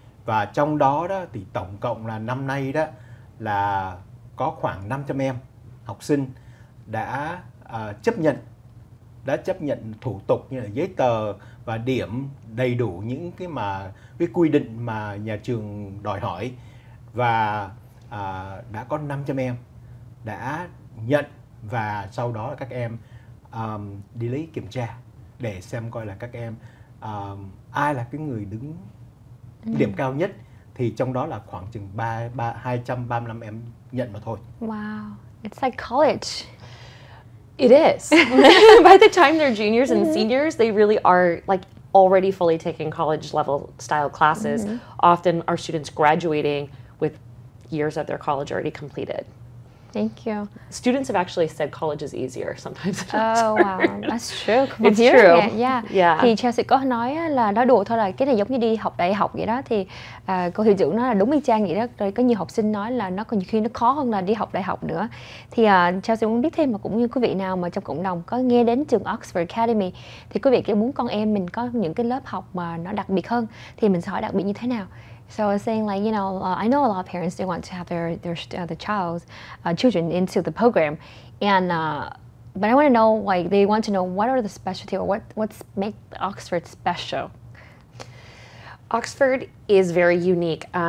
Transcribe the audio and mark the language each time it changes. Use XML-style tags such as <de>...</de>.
<vi>Và trong đó đó thì tổng cộng là năm nay đó là có khoảng 500 em học sinh đã chấp nhận thủ tục như là giấy tờ và điểm đầy đủ những cái mà cái quy định mà nhà trường đòi hỏi, và đã có 500 em đã nhận, và sau đó là các em đi lấy kiểm tra để xem coi là các em ai là cái người đứng điểm cao nhất, thì trong đó là khoảng chừng 235 em nhận mà thôi.</vi> <en>Wow, it's like college. It is. By the time they're juniors and seniors, they really are like already fully taking college level style classes. Often our students graduating with years of their college already completed. Thank you. Students have actually said college is easier sometimes. Oh, wow. That's true. Come It's true. Yeah. Yeah.</en> <vi>Thì Chelsea có nói là nói đùa thôi, là cái này giống như đi học đại học vậy đó. Thì cô hiệu trưởng nói là đúng y chang vậy đó. Rồi có nhiều học sinh nói là nó còn nhiều khi nó khó hơn là đi học đại học nữa. Thì Chelsea muốn biết thêm, mà cũng như quý vị nào mà trong cộng đồng có nghe đến trường Oxford Academy, thì quý vị kêu muốn con em mình có những cái lớp học mà nó đặc biệt hơn, thì mình sẽ hỏi đặc biệt như thế nào?</vi> <en>So I was saying, like, you know, I know a lot of parents, they want to have their children into the program, and but I want to know, like, they want to know what are the specialty, or what's make Oxford special. Oxford is very unique.</en>